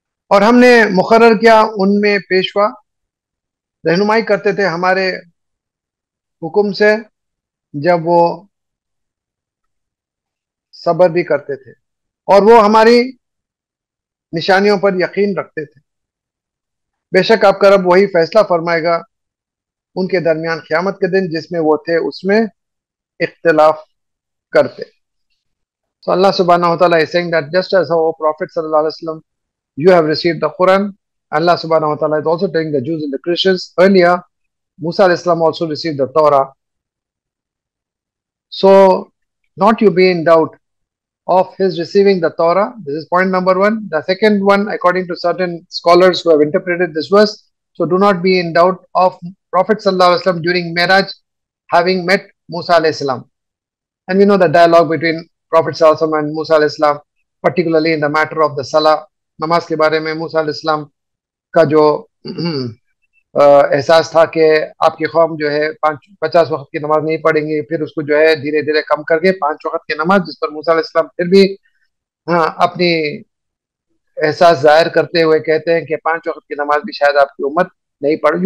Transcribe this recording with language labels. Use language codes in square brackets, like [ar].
[ur] اور ہم نے مقرر کیا ان میں پیشوا, رہنمائی کرتے تھے ہمارے حکم سے جب وہ صبر بھی کرتے تھے اور وہ ہماری نشانیوں پر یقین رکھتے تھے. بے شک آپ کا رب وہی فیصلہ فرمائے گا ان کے درمیان قیامت کے دن جس میں وہ تھے اس میں اختلاف کرتے. [en] تو اللہ سبحانہ وتعالیٰ is saying that just as our prophet صلی اللہ علیہ وسلم, you have received the Quran, Allah subhanahu wa ta'ala is also telling the Jews and the Christians, earlier Musa al-Islam also received the Torah. So not you be in doubt of his receiving the Torah. This is point number one. The second one, according to certain scholars who have interpreted this verse, so do not be in doubt of Prophet sallallahu alaihi wasallam during Miraj having met Musa al-Islam. And we know the dialogue between Prophet sallallahu alaihi wasallam and Musa al-Islam, particularly in the matter of the Salah, [ur] نماز کے بارے میں موسیٰ علیہ السلام کا جو احساس تھا کہ آپ کی قوم جو ہے پچاس وقت کی نماز نہیں پڑھیں گے, پھر اس کو جو ہے دھیرے دھیرے کم کر کے پانچ وقت کی نماز, جس پر موسیٰ علیہ السلام پھر بھی اپنی احساس ظاہر کرتے ہوئے کہتے ہیں کہ پانچ وقت کی نماز بھی شاید آپ کی امت نہیں پڑھ.